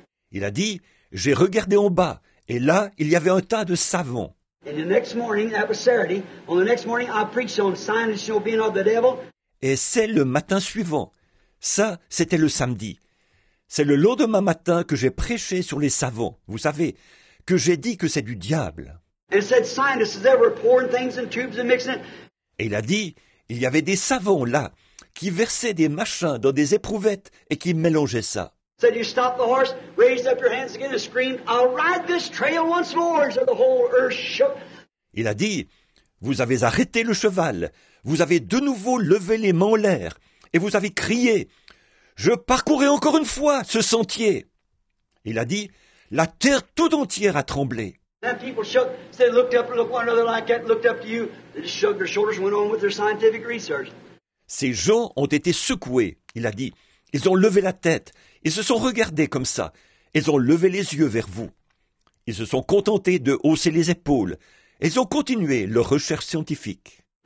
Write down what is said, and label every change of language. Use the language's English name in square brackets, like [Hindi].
[French] Il a dit, j'ai regardé en bas, et là, il y avait un tas de savants. [English] And the next morning, that was Saturday, on the next morning, I preached on scientists, you know, being of the devil. [French] Et c'est le matin suivant. Ça, c'était le samedi. C'est le lendemain matin que j'ai prêché sur les savants, vous savez, que j'ai dit que c'est du diable. [English] And it said scientists, they were pouring things in tubes and mixing it. [French] Et il a dit, il y avait des savants là, qui versaient des machins dans des éprouvettes et qui mélangeaient ça. [English] Said you stopped the horse, raised up your hands again and screamed, I'll ride this trail once more, so the whole earth shook. [French] Il a dit, vous avez arrêté le cheval, vous avez de nouveau levé les mains en l'air, et vous avez crié, je parcourrai encore une fois ce sentier. Il a dit, la terre tout entière a tremblé. [English] Then people shook, said, looked up and looked one another like that, looked up to you, they just shrugged their shoulders and went on with their scientific research. [French] Ces gens ont été secoués, il a dit, ils ont levé la tête. Ils se sont regardés comme ça. Ils ont levé les yeux vers vous. Ils se sont contentés de hausser les épaules. Ils ont continué leur recherche scientifique.